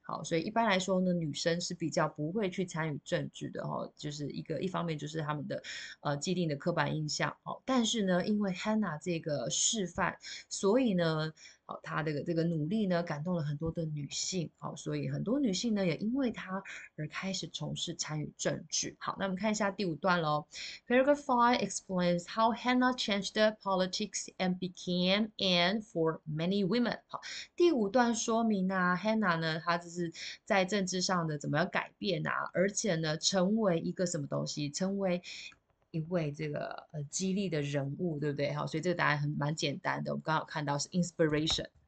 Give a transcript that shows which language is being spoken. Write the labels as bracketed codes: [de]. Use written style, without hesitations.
[zh] 好，所以一般来说呢，女生是比较不会去参与政治的哈，就是一方面就是她们的既定的刻板印象。好，但是呢，因为 Hannah 这个示范，所以呢。好，他这个努力呢，感动了很多的女性。好，所以很多女性呢，也因为他而开始从事参与政治。好，那我们看一下第五段喽。 [en] Paragraph 5 explains how Hannah changed the politics and became an for many women。 [zh] 好，第五段说明啊，Hannah 呢，她就是在政治上的怎么样改变啊，而且呢，成为一个什么东西，成为。一位这个激励的人物，对不对？好，所以这个答案蛮简单的。我们刚好看到是 inspiration。